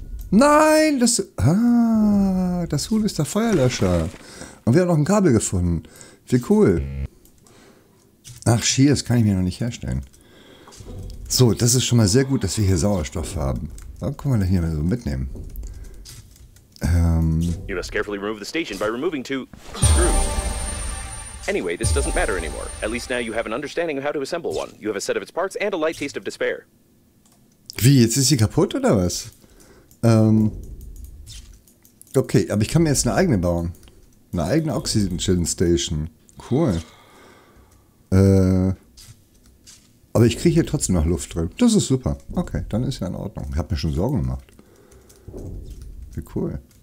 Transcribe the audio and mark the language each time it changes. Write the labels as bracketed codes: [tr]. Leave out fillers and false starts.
[de] Nein, das Huhn ist der Feuerlöscher. Und wir haben noch ein Kabel gefunden. Wie cool. Ach, Schier, das kann ich mir noch nicht herstellen. So, das ist schon mal sehr gut, dass wir hier Sauerstoff haben. Warum können wir denn hier mal so mitnehmen? [en] You must carefully remove the station by removing two screws. Anyway, this doesn't matter anymore. At least now you have an understanding of how to assemble one. You have a set of its parts and a light taste of despair. [de] Wie, jetzt ist sie kaputt oder was? Okay, aber ich kann mir jetzt eine eigene bauen. Eine eigene Oxygen Station. Cool. Aber ich kriege hier trotzdem noch Luft drin. Das ist super. Okay, dann ist ja in Ordnung. Ich habe mir schon Sorgen gemacht. Wie cool.